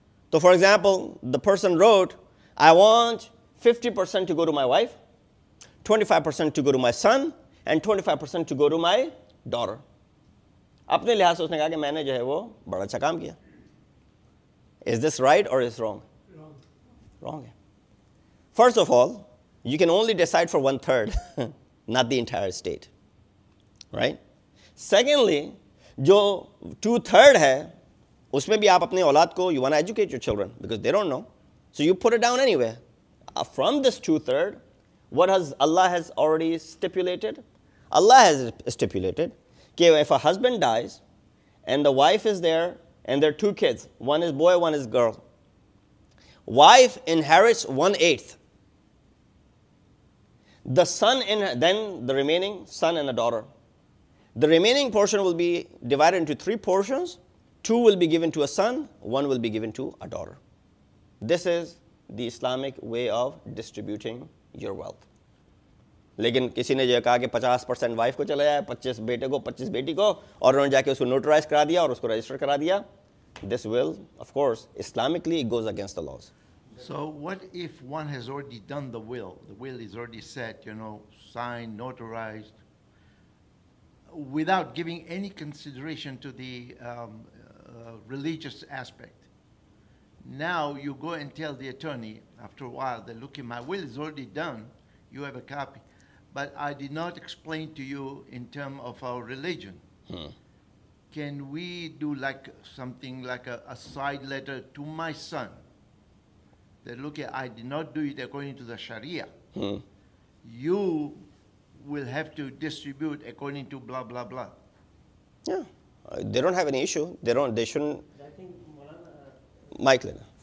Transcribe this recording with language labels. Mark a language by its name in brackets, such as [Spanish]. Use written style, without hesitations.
[English] تو for example the person wrote, I want 50% to go to my wife, 25% to go to my son, and 25% to go to my daughter. [Urdu] اپنے لحاظ سے اس نے کہا کہ میں نے جو ہے وہ بڑا اچھا کام کیا. [English] Is this right or is wrong? Wrong. First of all, you can only decide for one third, not the entire state. Right? Secondly, جو two third ہے, [Urdu] اس میں بھی آپ اپنے اولاد کو, [English] you want to educate your children, because they don't know. So you put it down anyway. From this two third, what has Allah has already stipulated? Allah has stipulated that if a husband dies and the wife is there and there are two kids, one is boy, one is girl, wife inherits 1/8. The son, then the remaining son and a daughter. The remaining portion will be divided into three portions. Two will be given to a son, one will be given to a daughter. This is the Islamic way of distributing your wealth. [Urdu] لیکن کسی نے جو کہا کہ 50% wife کو چلا جائے, 25 بیٹے کو, 25 بیٹی کو, اور انہوں نے جا کے اس کو نوٹرائز کرا دیا اور اس کو رجسٹر کرا دیا. [English] This will of course Islamically goes against the laws. So what if one has already done the will, the will is already set, you know, sign, notarize, without giving any consideration to the religious aspect, now you go and tell the attorney after while the look in my will is already done, you have a copy, but I did not explain to you in terms of our religion. Can we do like something like a side letter to my son that, look, I did not do it according to the Sharia. You will have to distribute according to blah, blah, blah. Yeah, they don't have any issue. They shouldn't. Mike, Lena.